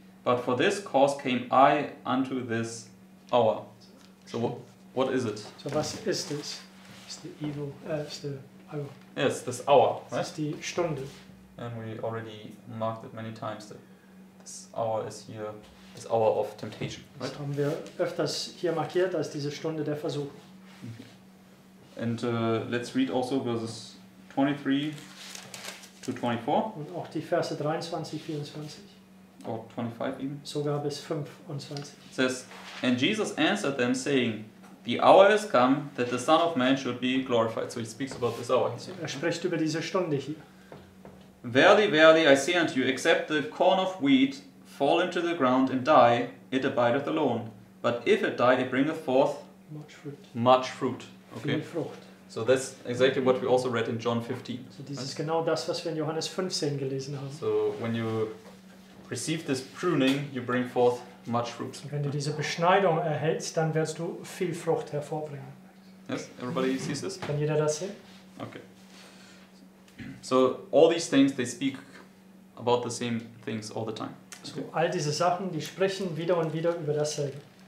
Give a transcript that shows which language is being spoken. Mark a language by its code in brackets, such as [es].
[en] But for this cause came I unto this hour. So what is it? [de] So was ist es? Ist [en] the evil? [de] Ist [en] the hour? Yes, this hour. Right? [de] Ist die Stunde. [en] And we already marked it many times that this hour is here, this hour of temptation. Right? [de] Das haben wir öfters hier markiert als diese Stunde der Versuchung. [en] Mm-hmm. And let's read also verses 23 to 24. [de] Und auch die Verse 23, 24. [en] Or 25 even. [de] Sogar bis 25. [en] It says, and Jesus answered them, saying, the hour has come that the Son of Man should be glorified. So he speaks about this hour. [de] Also, er spricht über diese Stunde hier. [en] Verily, verily, I say unto you, except the corn of wheat fall into the ground and die, it abideth alone. But if it die, it bringeth forth much fruit. Much fruit. Okay. [de] Viel Frucht. [en] So that's exactly what we also read in John 15. So this is [de] genau das, was wir in Johannes 15 gelesen haben. [en] So when you receive this pruning, you bring forth much fruit. [de] Und wenn du diese Beschneidung erhältst, dann wirst du viel Frucht hervorbringen. [en] Yes, everybody sees this? [de] Kann jeder das sehen? [en] Okay. So all these things, they speak about the same things all the time. [de] So all diese Sachen, die sprechen wieder und wieder über dasselbe.